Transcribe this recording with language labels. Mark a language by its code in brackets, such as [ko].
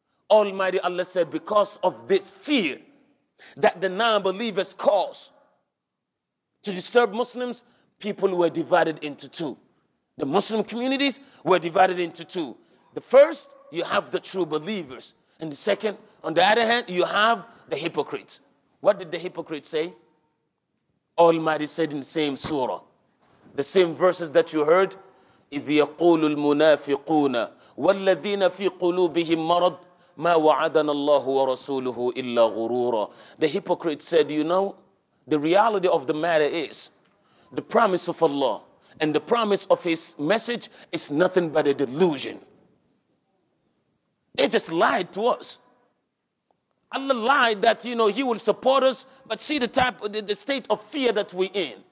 [en] Almighty Allah said, because of this fear that the non-believers cause to disturb Muslims, people were divided into two. The Muslim communities were divided into two. The first, you have the true believers. And the second, on the other hand, you have the hypocrites. What did the hypocrites say? Almighty said in the same surah, the same verses that you heard, [ar] إِذْ يَقُولُ الْمُنَافِقُونَ وَالَّذِينَ فِي قُلُوبِهِمْ مَرَضْ مَا وَعَدَنَ اللَّهُ وَرَسُولُهُ إِلَّا غُرُورًا. [en] The hypocrite said, you know, the reality of the matter is the promise of Allah and the promise of His message is nothing but a delusion. They just lied to us. Allah lied that, you know, He will support us, but see the type of the state of fear that we're in.